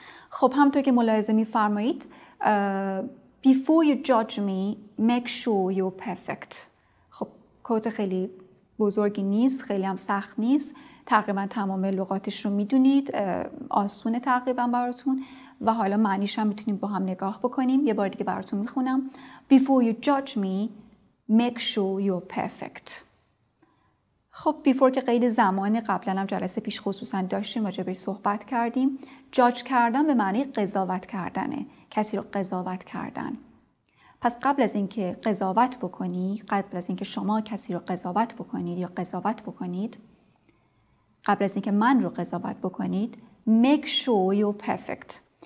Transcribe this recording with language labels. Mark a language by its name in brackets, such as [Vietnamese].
[Persian] خب همطور که ملاحظه میفرمایید، [English] Before you judge me, make sure you're perfect. [Persian] خب کوت خیلی بزرگی نیست، خیلی هم سخت نیست. تقریبا تمام لغاتش رو میدونید، آسونه تقریبا براتون. و حالا معنیش هم میتونیم با هم نگاه بکنیم. یه بار دیگه براتون میخونم. [English] Before you judge me, make sure you're perfect. [Persian] خب before که قید زمان، قبلا هم جلسه پیش خصوصا داشتیم راجع بهش صحبت کردیم. judge کردن به معنی قضاوت کردنه، کسی رو قضاوت کردن. پس قبل از اینکه قضاوت بکنی، قبل از اینکه شما کسی رو قضاوت بکنید یا قضاوت بکنید، قبل از اینکه من رو قضاوت بکنید، [English] make sure you're perfect.